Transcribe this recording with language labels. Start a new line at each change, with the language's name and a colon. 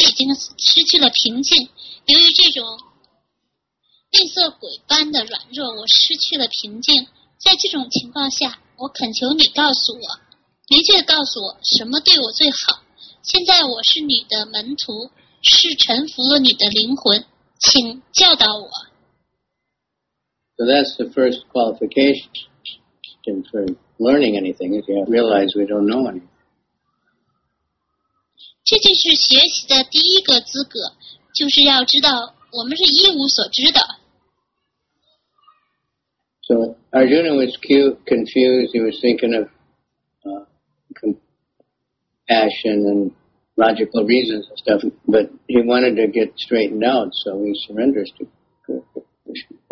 Chinese: 那后来呢，Arjuna就说，现在我对我的职责感到困惑茫然，我已经失去了平静，由于这种 吝啬鬼般的软弱，我失去了平静。在这种情况下，我恳求你告诉我，明确告诉我什么对我最好。现在我是你的门徒，是臣服了你的灵魂，请教导我。
English: So that's the first qualification for learning anything, if you realize we don't know anything.
Chinese: 这就是学习的第一个资格，就是要知道我们是一无所知的。
English: So Arjuna was cute, confused. He was thinking of compassion and logical reasons and stuff, but he wanted to get straightened out, so he surrenders to Krishna.